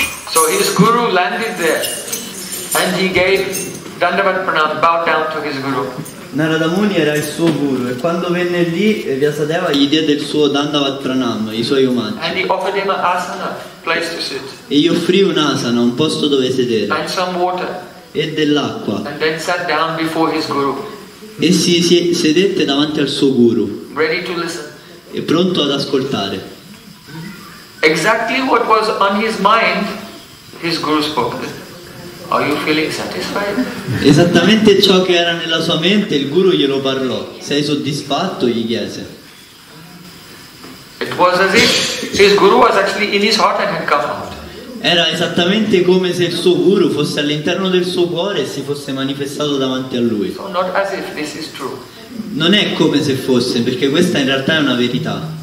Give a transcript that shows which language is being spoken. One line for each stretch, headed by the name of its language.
English: So his guru landed there and he gave Dandavat Pranam, bowed down to his guru.
Italian: Narada Muni era il suo guru e quando venne lì Vyasadeva gli diede il suo Dandavat Pranam, i suoi omaggi.
English: And he offered him an asana, place to sit.
Italian: E gli offrì un asana, un posto dove sedere.
English: And some water.
Italian: E dell'acqua.
English: And then sat down before his guru.
Italian: E si sedette davanti al suo guru.
English: Ready to listen.
Italian: E pronto ad ascoltare.
English: Exactly what was on his mind, his guru spoke. Are you feeling satisfied?
Italian: Esattamente ciò che era nella sua mente, il guru glielo parlò. Sei soddisfatto? Gli chiese.
English: It was as if his guru was actually in his heart and had come out.
Italian: Era esattamente come se il suo guru fosse all'interno del suo cuore e si fosse manifestato davanti a lui.
English: So not as if this is true.
Italian: Non è come se fosse, perché questa in realtà è una verità.